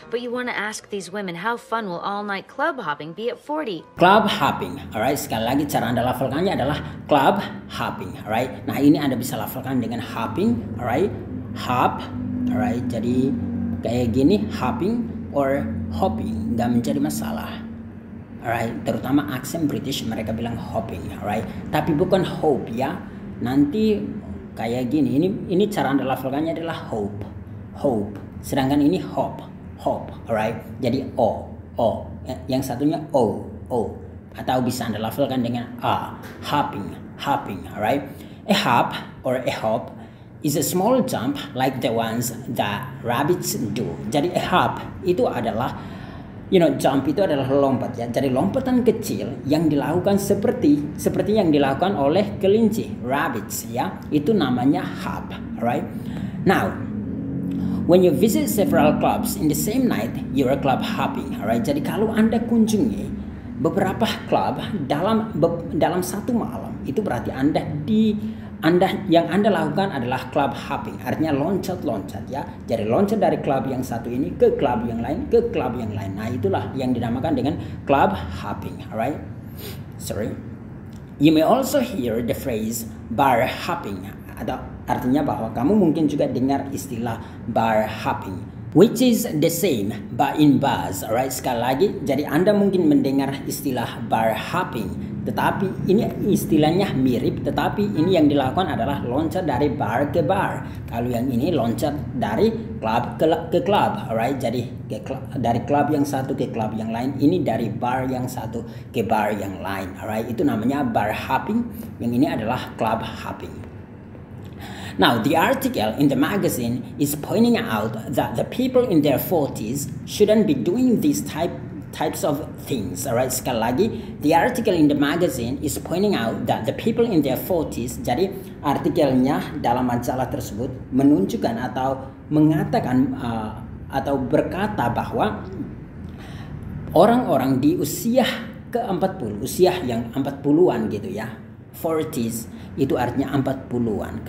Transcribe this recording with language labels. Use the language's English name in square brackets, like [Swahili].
[English] But you want to ask these women how fun will all-night club hopping be at 40? Club hopping, alright? [Indonesian] Sekali lagi cara Anda lafalkannya adalah club hopping, alright? Nah ini Anda bisa lafalkan dengan hopping, alright? Hop, alright? Jadi kayak gini, hopping. Or hopping, nggak menjadi masalah, alright. Terutama aksen British mereka bilang hopping, alright. Tapi bukan hope ya. Nanti kayak gini, ini cara Anda lafalkannya adalah hope, hope. Sedangkan ini hop, hop, alright. Jadi o, yang satunya o. Atau bisa Anda lafalkan dengan a, hopping, hopping, alright. [English] A hop or a hop is a small jump like the ones that rabbits do. [Indonesian] Jadi a hop itu adalah, [English] you know, [Indonesian] jump itu adalah lompat ya. Jadi lompatan kecil yang dilakukan seperti yang dilakukan oleh kelinci, rabbits ya. Itu namanya hop, right? [English] Now, when you visit several clubs in the same night, you're a club hopping, right? [Indonesian] Jadi kalau Anda kunjungi beberapa club dalam satu malam, itu berarti Anda lakukan adalah club hopping, artinya loncat-loncat ya. Jadi loncat dari club yang satu ini ke club yang lain, ke club yang lain. Nah itulah yang dinamakan dengan club hopping, alright? [English] Sorry. You may also hear the phrase bar hopping [Indonesian] atau Artinya bahwa kamu mungkin juga dengar istilah [English] bar hopping, which is the same but in bars, right? [Indonesian] Sekali lagi, jadi Anda mungkin mendengar istilah bar hopping, tetapi ini istilahnya mirip, tetapi ini yang dilakukan adalah loncat dari bar ke bar. Kalau yang ini loncat dari club ke club, right? Jadi dari club yang satu ke club yang lain, ini dari bar yang satu ke bar yang lain, right? Itu namanya bar hopping, yang ini adalah club hopping. [English] Now, the article in the magazine is pointing out that the people in their 40s shouldn't be doing these types of things, alright? [Indonesian] Sekali lagi, [English] the article in the magazine is pointing out that the people in their 40s, [Indonesian] jadi artikelnya dalam majalah tersebut menunjukkan atau mengatakan atau berkata bahwa orang-orang di usia ke-40, usia yang 40-an gitu ya, 40s, itu artinya 40-an.